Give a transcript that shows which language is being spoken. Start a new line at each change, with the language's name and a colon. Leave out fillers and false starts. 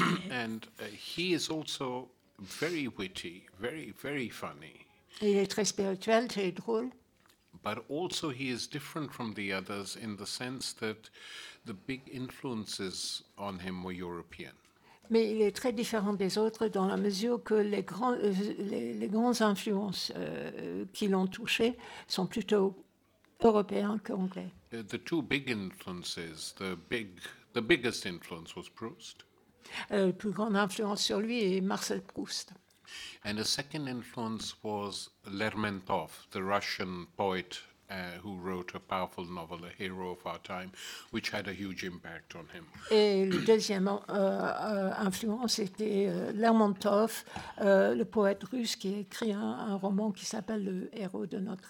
English: And he is also very witty, very, very funny.
French: Il est très spirituel, très drôle.
English: But also he is different from the others in the sense that the big influences on him were European.
French: Mais il est très différent des autres dans la mesure que les grandes influences qui l'ont touché sont plutôt européennes qu'anglaises.
English: The two big influences, The biggest influence was Proust.
French: La plus grande influence sur lui est Marcel Proust.
English: And a second influence was Lermontov, the Russian poet who wrote a powerful novel, A Hero of Our Time, which had a huge impact on him.
French: Et la deuxième influence était Lermontov, le poète russe qui a écrit un roman qui s'appelle Le Héros de notre